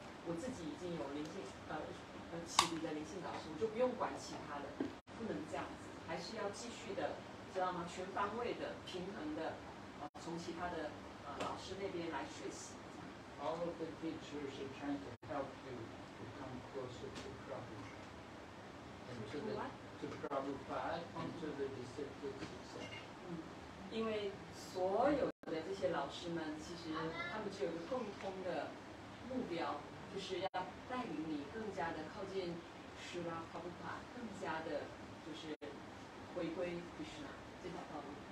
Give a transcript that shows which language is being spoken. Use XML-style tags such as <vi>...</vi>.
<zh>我自己已经有灵性启迪的灵性导师，我就不用管其他的，不能这样子，还是要继续的，知道吗？全方位的、平衡的，从其他的老师那边来学习。</zh> <en>All of the teachers are trying to help you to come closer to Prabhupada. To Prabhupada, and to the disciple itself.</en> <zh>因为所有的这些老师们，其实他们只有一个共通的目标。就是要带领你更加的靠近施拉帕布帕，更加的就是回归于施拉这条道路。</zh>